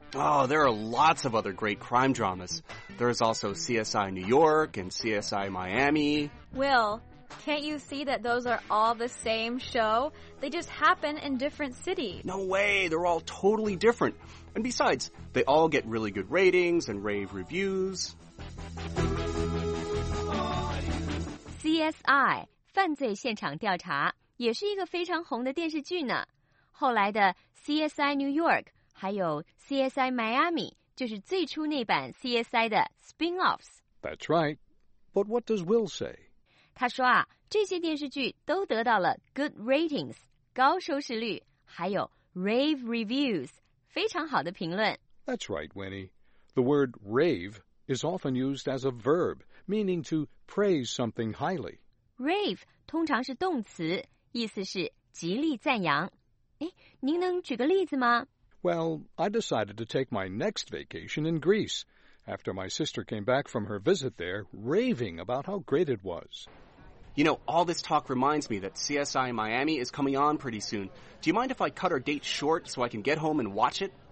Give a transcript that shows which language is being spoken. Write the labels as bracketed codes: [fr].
[en] Oh, there are lots of other great crime dramas. There's also CSI New York and CSI Miami. Will, can't you see that those are all the same show? They just happen in different cities. No way, they're all totally different. And besides, they all get really good ratings and rave reviews. [zh] CSI, 犯罪现场调查，也是一个非常红的电视剧呢。后来的 CSI New York, 还有 CSI Miami, 就是最初那版 CSI 的 spin-offs. [en] That's right. But what does Will say? [zh] 他说啊，这些电视剧都得到了 good ratings,高收视率，还有 rave reviews, 非常好的评论。 [en] That's right, Winnie. The word rave is often used as a verb, meaning to praise something highly. Rave [zh] 通常是动词，意思是极力赞扬。哎，您能举个例子吗？ [en] Well, I decided to take my next vacation in Greece after my sister came back from her visit there raving about how great it was. You know, all this talk reminds me that CSI Miami is coming on pretty soon. Do you mind if I cut our date short so I can get home and watch it?